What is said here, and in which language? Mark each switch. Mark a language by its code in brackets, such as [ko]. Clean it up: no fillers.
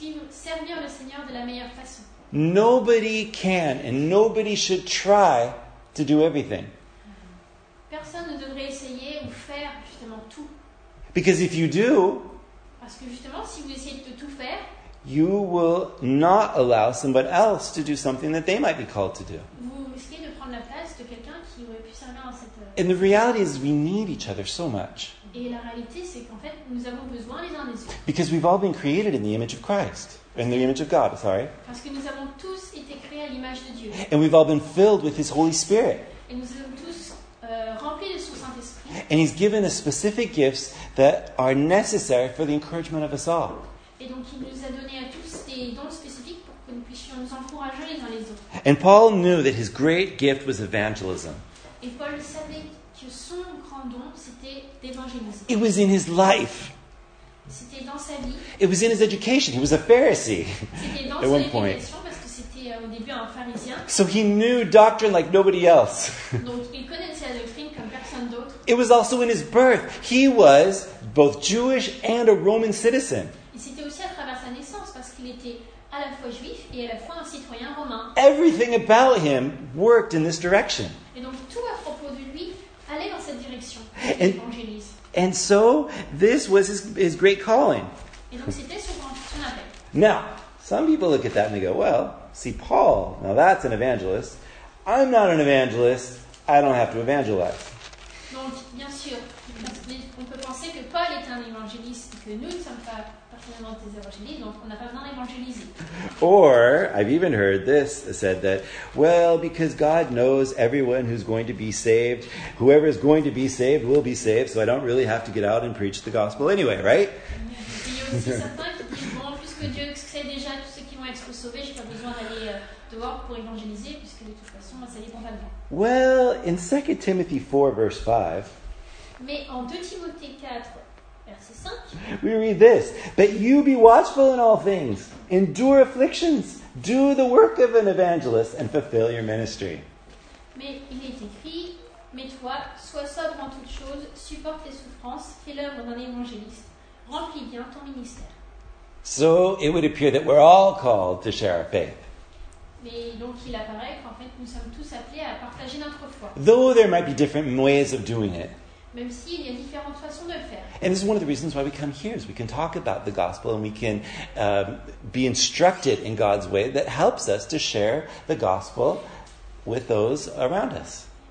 [fr] Servir le Seigneur de la meilleure façon. [en] Nobody can and nobody should try to do everything. [fr] Personne ne devrait essayer ou faire justement tout. [en] Because if you do, [fr] parce que justement si vous essayez de tout faire, [en] you will not allow somebody else to do something that they might be called to do. [fr] Vous risquez de prendre la place de quelqu'un qui aurait pu servir en cette. [en] And the reality is we need each other so much. [fr] Et la réalité c'est qu'en fait nous avons besoin les uns des autres. [en] Because we've all been created in the image of Christ. In the image of God, sorry. [fr] Parce que nous avons tous été créés à l'image de Dieu. [en] And we've all been filled with His Holy Spirit. [fr] Et nous avons tous remplis de son Saint-Esprit. [en] And He's given us specific gifts that are necessary for the encouragement of us all. [fr] Et donc il nous a donné à tous des dons spécifiques pour que nous puissions nous encourager les uns les autres. [en] And Paul knew that his great gift was evangelism. [fr] Et Paul savait que son grand don c'était d'évangéliser. [en] It was in his life. [fr] C'était dans sa vie. [en] It was in his education. He was a Pharisee. [fr] C'était dans [en] at one point. [fr] Parce que c'était, au début, un pharisien. [en] So he knew doctrine like nobody else. [fr] Donc, il connaissait la doctrine comme personne d'autre. [en] It was also in his birth. He was both Jewish and a Roman citizen. [fr] Et c'était aussi à travers sa naissance parce qu'il était à la fois juif et à la fois un citoyen romain. [en] Everything about him worked in this direction. [fr] Et donc tout à propos de lui allait dans cette direction. Et [en] And so, this was his great calling. [fr] Et donc, c'était son grand appel. [en] Now, some people look at that and they go, well, see, Paul, now that's an evangelist. I'm not an evangelist. I don't have to evangelize. [fr] Donc, bien sûr, on peut penser que Paul est un évangéliste et que nous ne sommes pas personnellement des évangélistes, donc on n'a pas besoin d'évangéliser. [en] Or, I've even heard this said that, well, because God knows everyone who's going to be saved, whoever is going to be saved will be saved, so I don't really have to get out and preach the gospel anyway, right? [fr] Il y a aussi certains qui disent, bon, puisque Dieu sait déjà tous ceux qui vont être sauvés, je n'ai pas besoin d'aller dehors pour évangéliser, puisque de toute façon, ça dépend pas de moi. [en] Well, in 2 Timothy 4, verse 5, [fr] mais en 2 Timothée 4, verset 5, [en] we read this, but you be watchful in all things, endure afflictions, do the work of an evangelist, and fulfill your ministry. [fr] Mais il est écrit, mais toi, sois sobre en toutes choses, supporte les souffrances, fais l'œuvre d'un évangéliste, remplis bien ton ministère. [en] So it would appear that we're all called to share our faith. [fr] Et donc il apparaît qu'en fait nous sommes tous appelés à partager notre foi. [en] Though there might be different ways of doing it. [fr] Même si il y a différentes façons de le faire. [en] And this is one of the reasons why we come here, is we can talk about the gospel and we can be instructed in God's way that helps us to share the gospel with those around us.